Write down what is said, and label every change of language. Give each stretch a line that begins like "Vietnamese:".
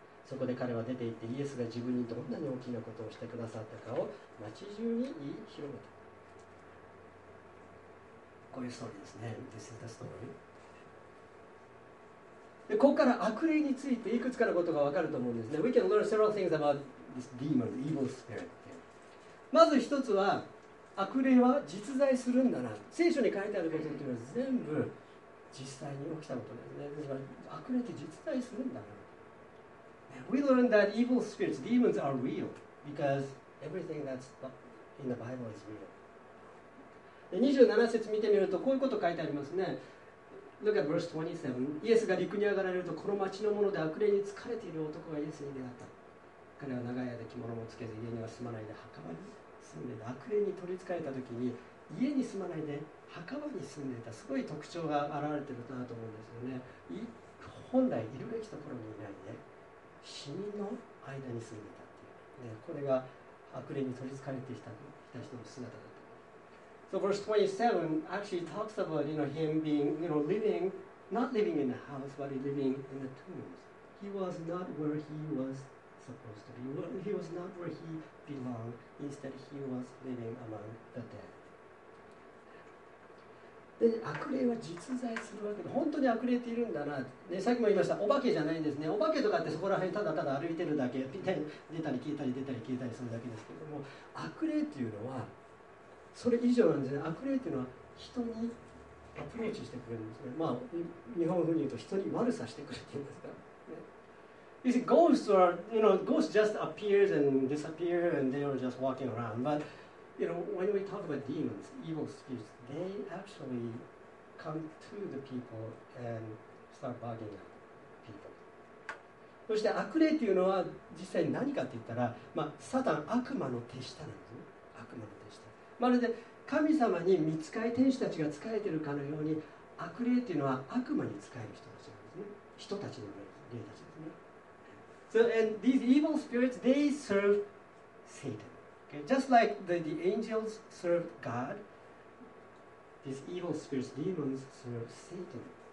Japanese: そこで彼は出て行ってイエスが自分にどんなに大きなことをしてくださったかを町中に言い広めた。こういうストーリーですね。
English: This is the story。
Japanese: でここから悪霊についていくつかのことが分かると思うんですね。
English: We can learn several things about this demon, the evil spirit。
Japanese: まず一つは、悪霊は実在するんだな。聖書に書いてあることというのは全部実際に起きたことですね。悪霊って実在するんだな。
English: We learn that evil spirits, demons are real because everything that's in the Bible is real。
Japanese: で27節見てみるとこういうこと書いてありますね。
English: Look at verse 27.
Japanese: イエスが陸に上がられると、この町の者で悪霊に疲れている男がイエスに出会った。彼は長い間着物もつけず家には住まないで墓場に住んでいた。悪霊に取り憑かれた時に家に住まないで墓場に住んでいた。すごい特徴が現れているなと思うんですよね。本来いるべきところにいないで死人の間に住んでいたっていう。でこれが悪霊に取り憑かれてきた人の姿だ。
English: So verse 27 actually talks about, you know, him being, you know, living, not living in the house, but living in the tombs. He was not where he was supposed to be. He was not where he belonged. Instead, he was living among the dead.
Japanese: で、悪霊は実在するわけで、本当に悪霊っているんだな。で、さっきも言いました、お化けじゃないんですね。お化けとかってそこら辺ただただ歩いてるだけ、みたいに出たり消えたり出たり消えたりするだけですけども、悪霊っていうのは、それ以上なんですね。悪霊というのは人にアプローチしてくれるんですね。まあ日本風に言うと人に悪さしてくれてるんですか。
English: You see, ghosts are, you know, ghosts just appears and disappear and they are just walking around. But, you know, when we talk about demons, evil spirits, they actually come to the people and start bugging at people.
Japanese: そして悪霊というのは実際何かって言ったら、まあサタン、悪魔の手下なんですね。悪魔の手下。まるで神様に御使い天使たちが仕えているかのように、悪霊というのは悪魔に仕える人たちなんですね。人たちの霊たちですね。
English: So and these evil spirits, they serve Satan、okay? Just like the angels served God, these evil spirits, demons serve Satan.